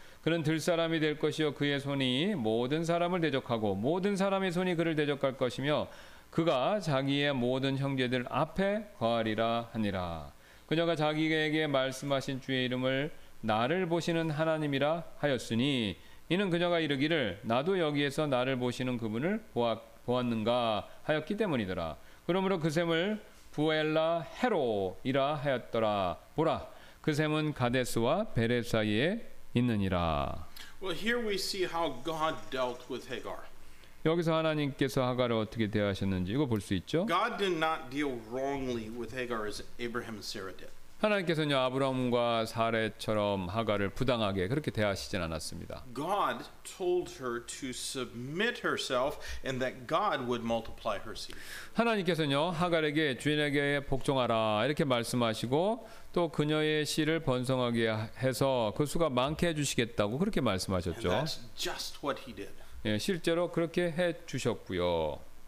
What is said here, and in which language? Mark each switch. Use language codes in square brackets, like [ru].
[ko] 그는 들사람이 될 것이요 그의 손이 모든 사람을 대적하고 모든 사람의 손이 그를 대적할 것이며 그가 자기의 모든 형제들 앞에 거하리라 하니라 그녀가 자기에게 말씀하신 주의 이름을 나를 보시는 하나님이라 하였으니 이는 그녀가 이르기를 나도 여기에서 나를 보시는 그분을 보았는가 하였기 때문이더라. 그러므로 그 샘을 부엘라 헤로이라 하였더라. 보라, 그 샘은 가데스와 베렛 사이에 있느니라. [en] Well, here we see how God dealt with Hagar. [ko] 여기서 하나님께서 하갈을 어떻게 대하셨는지 이거 볼 수 있죠. [en] God did not deal wrongly with Hagar as Abraham and Sarah did. [ko] 하나님께서는 아브라함과 사라처럼 하갈을 부당하게 그렇게 대하시진 않았습니다. [en] God told her to submit herself and that God would multiply her seed. [ko] 하나님께서는요, 하갈에게 주인에게 복종하라 이렇게 말씀하시고 또 그녀의 씨를 번성하게 해서 그 수가 많게 해 주시겠다고 그렇게 말씀하셨죠. [en] And that's just what he did. [ko] 예, 실제로 그렇게 해 주셨고요.